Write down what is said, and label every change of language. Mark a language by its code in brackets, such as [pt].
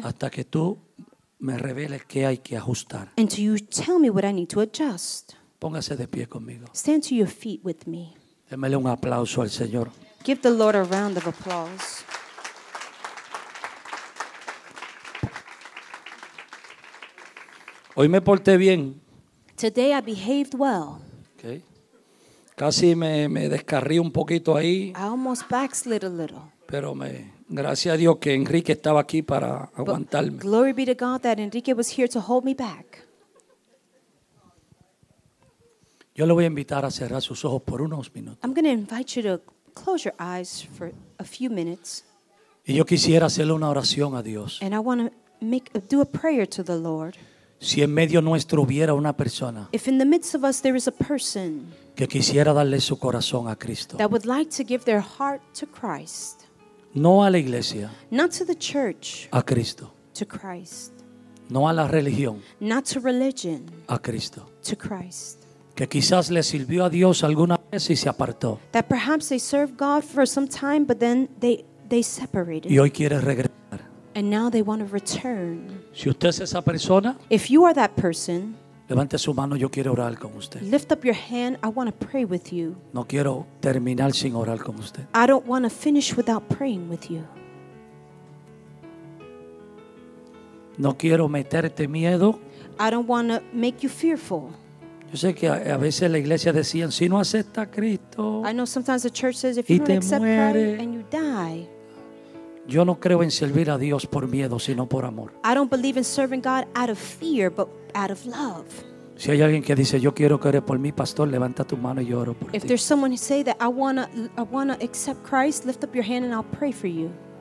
[es] hasta que tú me reveles qué hay que ajustar. [en] Until you tell me what I need to adjust. [es] Póngase de pie conmigo. [en] Stand to your feet with me. [es] Démele un aplauso al Señor. [en] Give the Lord a round of applause. [es] Hoy me porté bien. [en] Today I behaved well. [es] Okay. Casi me descarrí un poquito ahí. [en] I almost backslid a little. [es] Pero gracias a Dios que Enrique estaba aquí para aguantarme. [en] But glory be to God that Enrique was here to hold me back. [es] Yo le voy a invitar a cerrar sus ojos por unos minutos. [en] I'm going to invite you to close your eyes for a few minutes. [es] Y yo quisiera hacerle una oración a Dios. [en] And I want to do a prayer to the Lord. [es] Si en medio nuestro hubiera una persona. [en] If in the midst of us there is a person. [es] Que quisiera darle su corazón a Cristo. [en] That would like to give their heart to Christ. [es] No a la iglesia. [en] Not to the church. [es] A Cristo. [en] To Christ. [es] No a la religión. [en] Not to religion. [es] A Cristo. [en] To Christ. [es] Que quizás le sirvió a Dios alguna vez y se apartó. [en] That perhaps they served God for some time, but then they separated. [es] Y hoy quiere regresar. [en] And now they want to return. [es] Si usted es esa persona, [en] if you are that person, [es] levante su mano, yo quiero orar con usted. [en] Lift up your hand, I want to pray with you. [es] No quiero terminar sin orar con usted. [en] I don't want to finish without praying with you. [es] No quiero meterte miedo. [en] I don't want to make you fearful. [es] Yo sé que a veces la iglesia decían, si no acepta a Cristo, [en] I know sometimes the church says if you don't accept [es] muere, [en] Christ and you die. [es] Yo no creo en servir a Dios por miedo, sino por amor. [en] I don't believe in serving God out of fear, but out of love. [es] Si hay alguien que dice yo quiero que ore por mí, pastor, levanta tu mano y yo oro por ti. [en] If there's someone who say that I wanna accept Christ, lift up your hand and I'll pray for you.